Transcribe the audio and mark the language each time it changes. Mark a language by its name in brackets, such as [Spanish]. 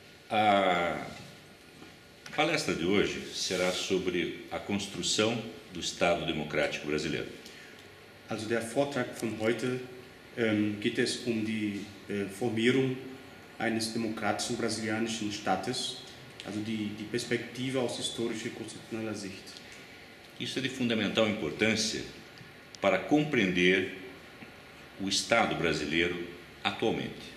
[Portuguese] A palestra de hoje será sobre a construção do Estado Democrático Brasileiro. [German] Also der Vortrag von heute geht es um die Formierung eines demokratischen brasilianischen Staates, also die Perspektive aus historischer konstitutioneller Sicht. [Portuguese] Isso é de fundamental importância para compreender o Estado brasileiro atualmente.